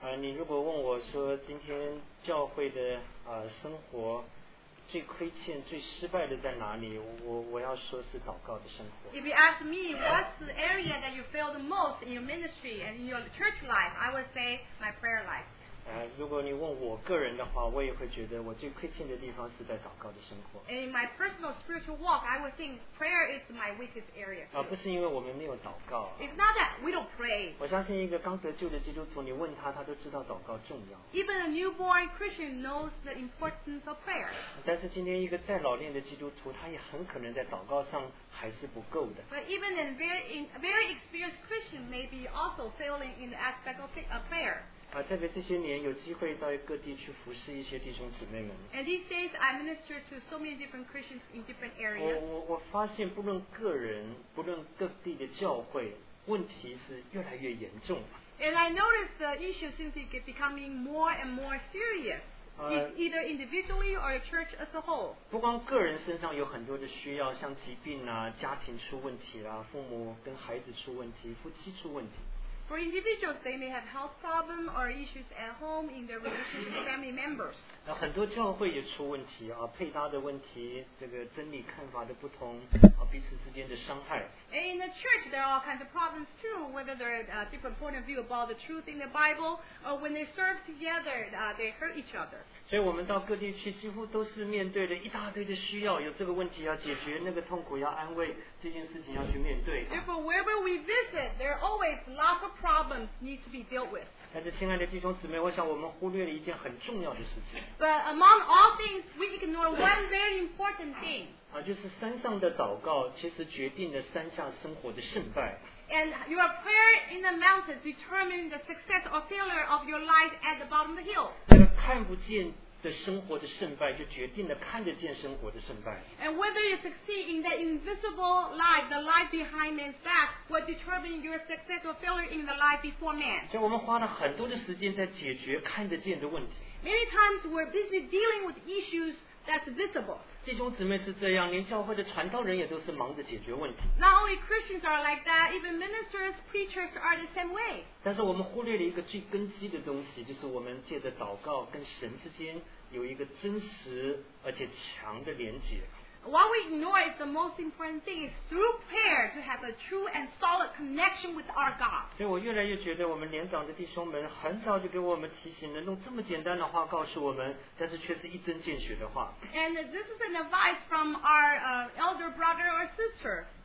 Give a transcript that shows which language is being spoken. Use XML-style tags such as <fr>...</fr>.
<zh>你如果问我说今天教会的生活最亏欠、最失败的在哪里，我要说是祷告的生活。</zh> <en>If you ask me what's the area that you feel the most in your ministry and in your church life, I would say my prayer life.</en> <zh>如果你问我个人的话，我也会觉得我最亏欠的地方是在祷告的生活。</zh> <en>In my personal spiritual walk, I would think prayer is my weakest area.</en> <zh>不是因为我们没有祷告。</zh> <en>It's not that we don't pray.</en> <zh>我相信一个刚得救的基督徒，你问他，他都知道祷告重要。</zh> <en>Even a newborn Christian knows the importance of prayer.</en> <zh>但是今天一个再老练的基督徒，他也很可能在祷告上还是不够的。</zh> <en>But even a very experienced Christian may be also failing in the aspect of prayer.</en> <zh>特别这些年有机会到各地去服侍一些弟兄姊妹们。</zh> <en>And these days I minister to so many different Christians in different areas.</en> <zh>我发现不论个人，不论各地的教会，问题是越来越严重。</zh> <en>And I notice the issue seems to be becoming more and more serious. Either individually or a church as a whole.</en> <zh>不光个人身上有很多的需要，像疾病啊，家庭出问题啦，父母跟孩子出问题，夫妻出问题。</zh> <en>For individuals, they may have health problems or issues at home in their relationship with family members.</en> <zh>很多教会也出问题啊，配搭的问题，这个真理看法的不同啊，彼此之间的伤害。</zh> <en>And in the church, there are all kinds of problems too, whether they're a different point of view about the truth in the Bible, or when they serve together, they hurt each other.</en> <zh>所以我们到各地去，几乎都是面对着一大堆的需要，有这个问题要解决，那个痛苦要安慰，这件事情要去面对。</zh> <en>Therefore, wherever we visit, there are always lots of problems need to be dealt with.</en> <zh>但是亲爱的弟兄姊妹，我想我们忽略了一件很重要的事情。</zh> <en>But among all things, we ignore one very important thing.</en> <zh>就是山上的祷告其实决定了山下生活的胜败。</zh> <en>And your prayer in the mountains determines the success or failure of your life at the bottom of the hill.</en> <zh>看不见的生活的胜败就决定了看得见生活的胜败。</zh> <en>And whether you succeed in the invisible life, the life behind man's back, will determine your success or failure in the life before man.</en> <zh>所以我们花了很多的时间在解决看得见的问题。</zh> <en>Many times we're busy dealing with issues that's visible.</en> <zh>弟兄姊妹是这样，连教会的传道人也都是忙着解决问题。</zh> <en>Not only Christians are like that, even ministers, preachers are the same way.</en> <zh>但是我们忽略了一个最根基的东西，就是我们借着祷告跟神之间有一个真实而且强的连结。</zh> <en>What we ignore is the most important thing is through prayer to have a true and solid connection with our God.</en> <zh>所以我越来越觉得我们年长的弟兄们很早就给我们提醒了，用这么简单的话告诉我们，但是却是一针见血的话。</zh> <en>And this is an advice from our elder brother or sister.</en>